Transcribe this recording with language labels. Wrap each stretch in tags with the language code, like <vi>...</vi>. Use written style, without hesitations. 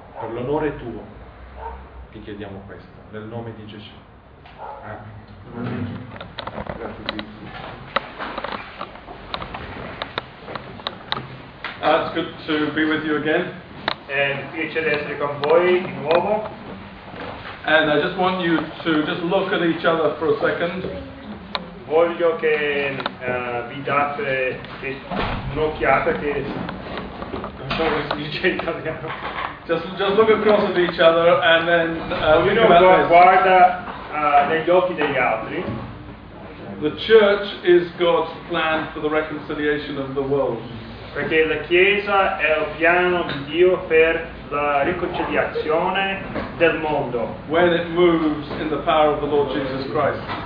<it>Per l'onore tuo ti chiediamo questo, nel nome di Gesù. Amen.</it> <en>It's good to be with you again.</en> <it>È un piacere essere con voi di nuovo.</it> <en>And I just want you to just look at each other for a second.</en> <it>Voglio che vi date un'occhiata che non so come si dice in italiano.</it> <en>Just look across at each other and then</en> <it>guarda negli occhi degli altri.</it> <en>The church is God's plan for the reconciliation of the world.</en> <it>Perché la chiesa è il piano di Dio per la riconciliazione del mondo.</it> <en>When it moves in the power of the Lord Jesus Christ.</en>